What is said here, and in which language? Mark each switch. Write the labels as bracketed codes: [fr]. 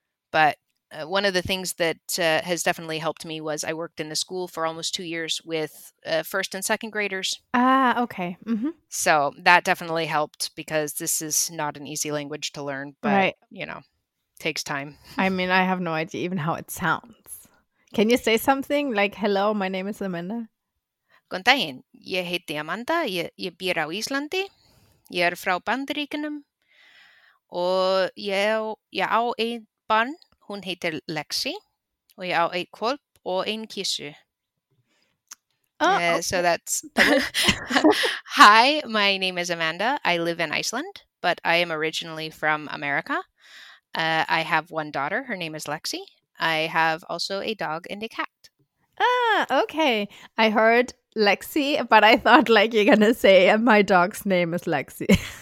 [en] But one of the things that has definitely helped me was I worked in a school for almost 2 years with first and second graders. Ah, okay. Mm-hmm. So that definitely helped because this is not an easy language to learn, but, right. you know, takes time. I mean, I have no idea even how it sounds. Can you say something like, hello, my name is Amanda? [is] Góðan, ég heiti Amanda, ég býr á Íslandi, ég frá Bandaríkjunum og ég á ein barn, hún heitir Lexi og ég á ein hvolp og ein kissu. [en] Okay. So that's, hi, my name is Amanda, I live in Iceland, but I am originally from America. I have one daughter, her name is Lexi, I have also a dog and a cat. Ah, okay, I heard Lexi, but I thought like you're gonna say my dog's name is Lexi.